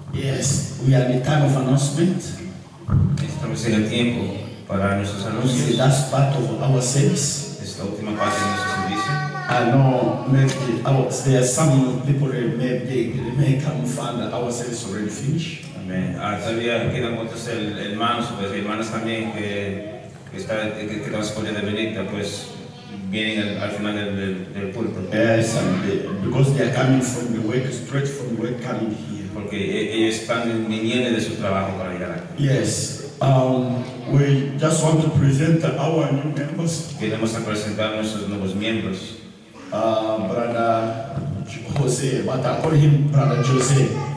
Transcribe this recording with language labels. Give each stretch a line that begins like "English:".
English: Yes, we are in the time of announcement.
Spanish: Estamos en el tiempo para nuestros anuncios.
English: The last part of our service.
Spanish: Es la última parte de nuestro servicio.
English: I know maybe there are some people maybe they may come find that our service already finished. Amen.
Spanish: Todavía quedan muchos hermanos, pues hermanas también que nos podrían de venir, pues vienen al final del púlpito.
English: Yes, because they are coming from the work, straight from the work, coming here.
Spanish: Porque ellos están viniendo de su trabajo para llegar aquí.
English: Yes. We just want to present our new members.
Spanish: Queremos presentar nuestros nuevos miembros.
English: Brother Jose, but I call him Brother Jose.